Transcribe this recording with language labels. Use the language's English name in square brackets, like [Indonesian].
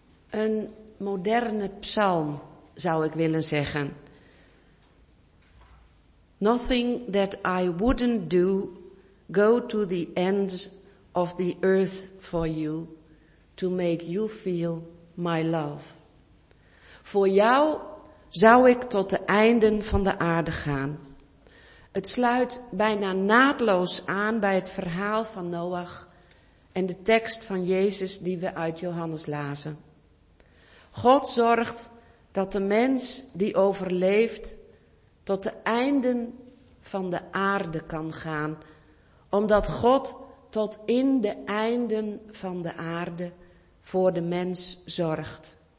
[Dutch] Een moderne psalm, zou ik willen zeggen. [English] Nothing that I wouldn't do, go to the ends of the earth for you, to make you feel my love. [Dutch] Voor jou zou ik tot de einden van de aarde gaan. Het sluit bijna naadloos aan bij het verhaal van Noach en de tekst van Jezus die we uit Johannes lazen. God zorgt dat de mens die overleeft tot de einden van de aarde kan gaan, omdat God tot in de einden van de aarde voor de mens zorgt.